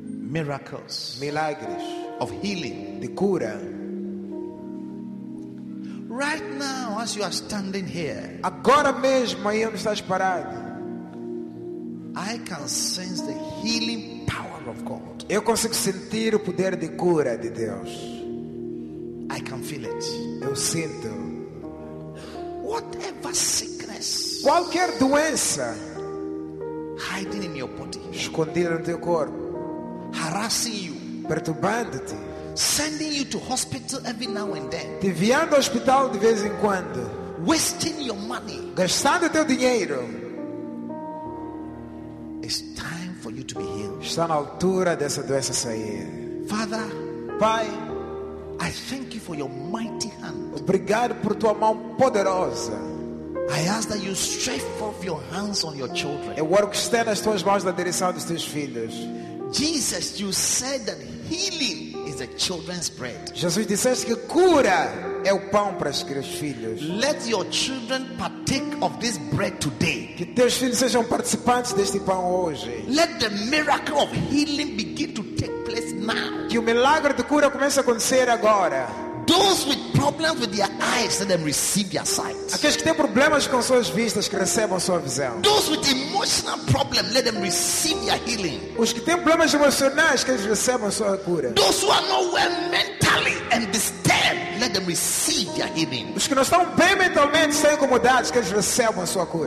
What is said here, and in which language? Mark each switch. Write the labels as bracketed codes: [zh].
[en] Miracles. [pt] Milagres. [en] Of healing. [pt] De cura. [en] Right now, as you are standing here, [pt] agora mesmo aí onde estás parado, [en] I can sense the healing power of God. [pt] Eu consigo sentir o poder de cura de Deus. [en] I can feel it. [pt] Eu sinto. [en] Whatever sickness, [pt] qualquer doença, [en] hiding in your body, [pt] escondida no teu corpo, [en] harassing you, [pt] perturbando-te, [en] sending you to hospital every now and then, [pt] te enviando ao hospital de vez em quando, [en] wasting your money, [pt] gastando teu dinheiro, [en] it's time for you to be healed. [pt] Está na altura dessa doença sair. [en] Father, [pt] Pai, [en] I thank you for your mighty hand. [pt] Obrigado por tua mão poderosa. [en] I ask that you stretch forth your hands on your children. [pt] Eu oro que estenda as tuas mãos na direção dos teus filhos. [en] Jesus, you said that healing is a children's bread. [pt] Jesus disseste que cura é o pão para os filhos. [en] Let your children partake of this bread today. [pt] Que teus filhos sejam participantes deste pão hoje. [en] Let the miracle of healing begin to take place now. [pt] Que o milagre de cura comece a acontecer agora. [en] Those with problems with their eyes, let them receive their sight. [pt] Aqueles que têm problemas com suas vistas, que recebam sua visão. [en] Those with emotional problems, let them receive their healing. [pt] Os que têm problemas emocionais, que eles recebam sua cura. [en] Those who are not well mentally and disturbed, let them receive their healing. [pt] Os que não estão bem mentalmente, estão incomodados, que eles recebam sua cura.